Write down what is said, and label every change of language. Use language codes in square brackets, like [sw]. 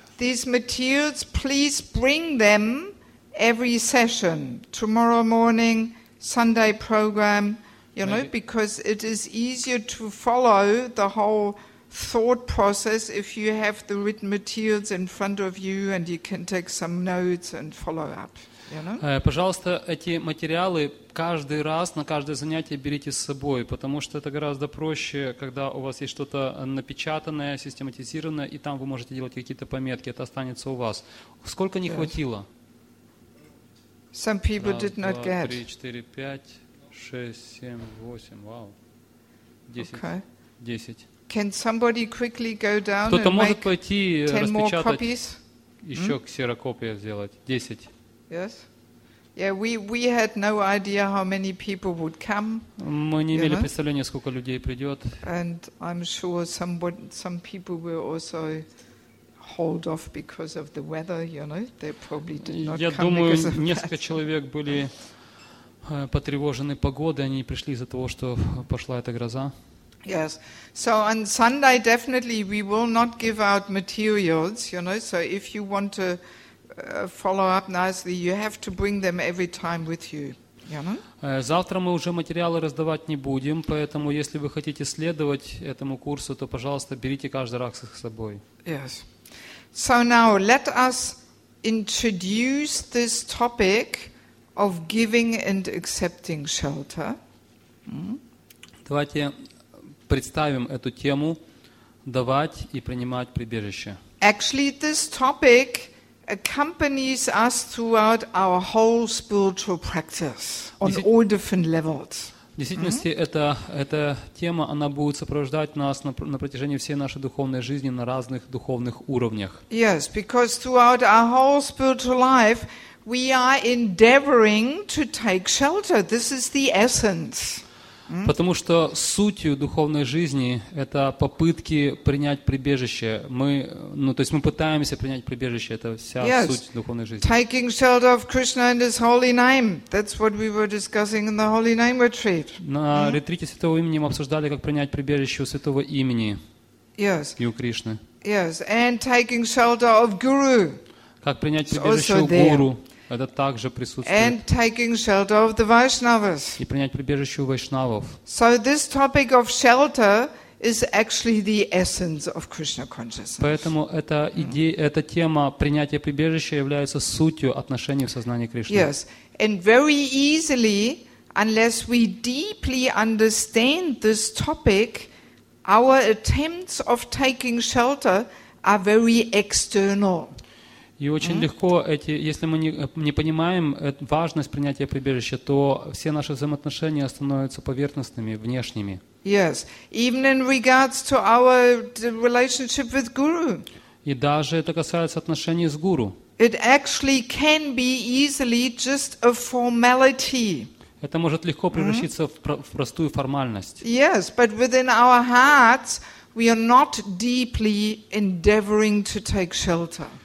[en] These materials, please bring them. Every session, tomorrow morning, Sunday program, You know, because it is easier to follow the whole thought process if you have the written materials in front of you and you can take some notes and follow up. [ru] Пожалуйста, эти материалы каждый раз, на каждое занятие берите с собой, потому что это гораздо проще, когда у вас есть что-то напечатанное, систематизированное, и там вы можете делать какие-то пометки, это останется у вас. Сколько не хватило? [en] Some people [ru] раз, [en] did [ru] два, [en] not get. [ru] 3, 4, 5, 6, 7, 8, вау. 10. [en] Can somebody quickly go down [ru] Кто-то [en] and [ru] может [en] make [ru] пойти [en] 10 [ru] распечатать, [en] more copies? [ru] Еще ксерокопия сделать. 10. [en] Yes. Yeah, we had no idea how many people would come. [ru] Мы не имели представления, сколько людей придет. [en] And I'm sure some people were also hold off because of the weather, you know. They probably did not come. [ru] Я думаю, несколько человек были потревожены погодой, они пришли из-за того, что пошла эта гроза. [en] Yes. So on Sunday definitely we will not give out materials, you know. So if you want to follow up nicely, you have to bring them every time with you. [ru] Завтра мы уже материалы раздавать не будем, поэтому если вы хотите следовать этому курсу, то, пожалуйста, берите каждый раз их с собой. [en] Yes. So now let us introduce this topic of giving and accepting shelter. [ru] Давайте представим эту тему давать и принимать прибежище. [en] Actually, this topic accompanies us throughout our whole spiritual practice on all different levels. [ru] В действительности, эта тема, она будет сопровождать нас на протяжении всей нашей духовной жизни на разных духовных уровнях. [en] Yes, because throughout our whole spiritual life, we are endeavoring to take shelter. This is the essence. [ru] Потому что сутью духовной жизни это попытки принять прибежище. Мы пытаемся принять прибежище. Это вся суть духовной жизни. [en] Taking shelter of Krishna and His holy name. That's what we were discussing in the holy name retreat. [ru] На ретрите Святого имени мы обсуждали, как принять прибежище у Святого имени. [en] Yes. [ru] И у Кришны. [en] Yes. And taking shelter of Guru. [ru] Как принять прибежище у Гуру. Это также присутствует. [en] And taking shelter of the Vaishnavas. [ru] И принять прибежище у вайшнавов. [en] So this topic of shelter is actually the essence of Krishna consciousness. [ru] Поэтому эта идея, эта тема принятия прибежища является сутью отношений в сознании Кришны. [en] Yes. And very easily, unless we deeply understand this topic, our attempts of taking shelter are very external. [ru] И очень легко, если мы не понимаем важность принятия прибежища, то все наши взаимоотношения становятся поверхностными, внешними. [en] Yes. Even in regards to our relationship with Guru. [ru] И даже это касается отношений с Гуру. [en] It actually can be easily just a formality. [ru] Это может легко превратиться в простую формальность. [en] Yes, but within our hearts we are not deeply endeavoring to take shelter.